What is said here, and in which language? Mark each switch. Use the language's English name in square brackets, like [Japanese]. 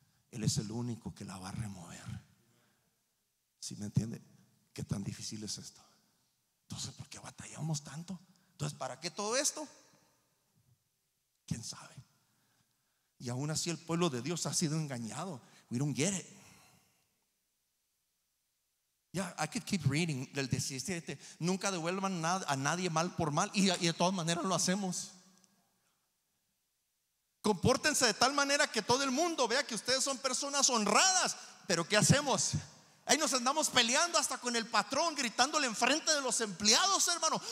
[Spanish] Él es el único que la va a remover. ¿Sí me entiende? ¿Qué tan difícil es esto? Entonces, ¿por qué batallamos tanto? Entonces, ¿para qué todo esto? ¿Quién sabe? Y aún así el pueblo de Dios ha sido engañado. [English] We don't get it. Yeah, I could keep reading [Spanish] del 17. Nunca devuelvan nada, a nadie mal por mal. Y de todas maneras lo hacemos. Compórtense de tal manera que todo el mundo vea que ustedes son personas honradas. Pero ¿qué hacemos? Ahí nos andamos peleando hasta con el patrón, gritándole enfrente de los empleados, hermano.